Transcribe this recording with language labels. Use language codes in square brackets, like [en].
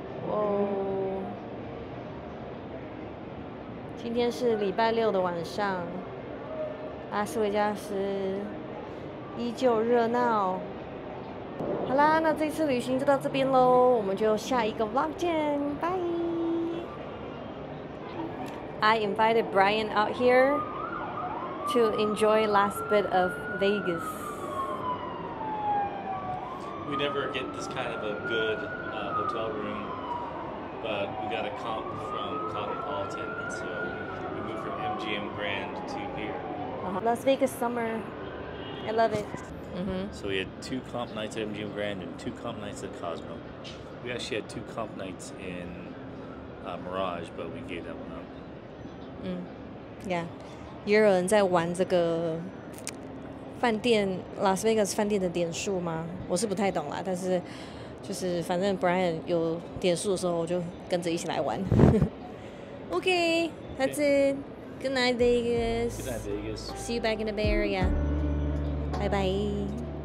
[zh] 哦，今天是礼拜六的晚上。拉斯维加斯依旧热闹。好啦，那这次旅行就到这边咯，我们就下一个 vlog 见，拜。 [en] I invited Brian out here to enjoy last bit of Vegas. We never get this kind of a good hotel room, but we got a comp from Cosmopolitan, so we moved from MGM Grand to here. Las Vegas summer, I love it. Mm-hmm. So we had 2 comp nights at MGM Grand and 2 comp nights at Cosmo. We actually had 2 comp nights in Mirage, but we gave that one up. [zh] Yeah, 有人在玩这个饭店 Las Vegas 饭店的点数吗？我是不太懂啦，但是就是反正 Brian 有点数的时候，我就跟着一起来玩。 [en] Okay, that's it. Good night, Vegas. Good night, Vegas. See you back in the Bay Area. Bye-bye.